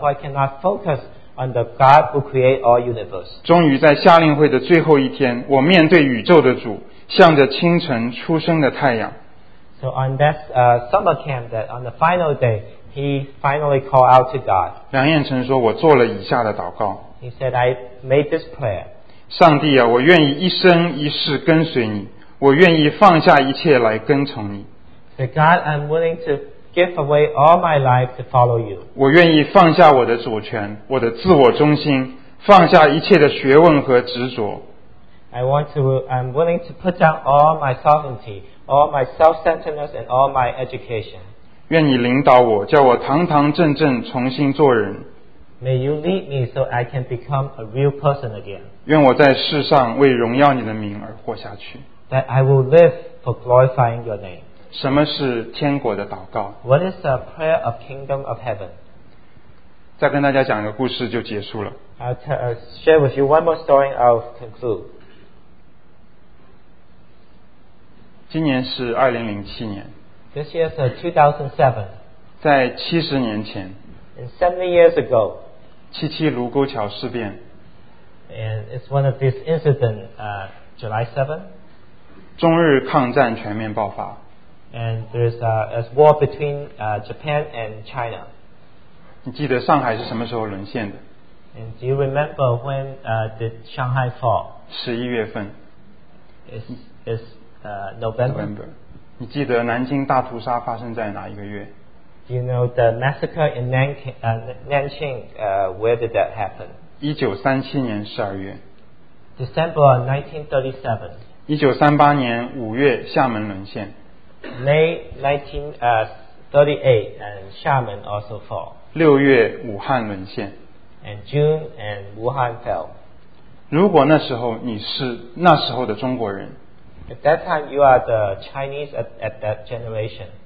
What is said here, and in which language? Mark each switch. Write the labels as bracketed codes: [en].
[en] Why cannot focus on the God who created all universe? [zh] 终于在夏令会的最后一天, 我面对宇宙的主, 向着清晨出生的太阳。 [en] So on that summer camp, that on the final day, he finally called out to God. [zh] 梁彦成说, 我做了以下的祷告。 [en] He said, I made this prayer. [zh] 上帝啊, 我愿意一生一世跟随你。我愿意放下一切来跟从你。 [en] Say, God, I'm willing to give away all my life to follow you. [zh] 我愿意放下我的主权, 我的自我中心, 放下一切的学问和执着。 [en] I'm willing to put down all my sovereignty, all my self-centeredness, and all my education. [zh] 愿你领导我, 叫我堂堂正正重新做人。 [en] May you lead me so I can become a real person again. [zh] 愿我在世上为荣耀你的名而活下去。 [en] That I will live for glorifying your name. [zh] 什么是天国的祷告? [en] What is the prayer of kingdom of heaven? [zh] 再跟大家讲一个故事就结束了。 [en] I'll share with you one more story and I'll conclude. [zh] 今年是2007年。 [en] This year is 2007. [zh] 在70年前。 [en] And 70 years ago. [zh] 七七卢沟桥事变。 [en] And it's one of these incidents, July 7th. [zh] 中日抗战全面爆发。 [en] And there's a war between Japan and China. [zh] 你记得上海是什么时候沦陷的？ [en] And do you remember when did Shanghai fall? [zh] 11月份。 [en] It's November. [zh] 你记得南京大屠杀发生在哪一个月？ [en] Do you know the massacre in Nanjing, where did that happen? [zh] 1937年12月。 [en] December 1937. [zh] 1938年5月厦门沦陷。 [en] May 1938, and Xiamen also fall. [zh] 6月武汉沦陷。 [en] And June and Wuhan fell. [zh] 如果那时候你是那时候的中国人。 [en] At that time you are the Chinese at that generation.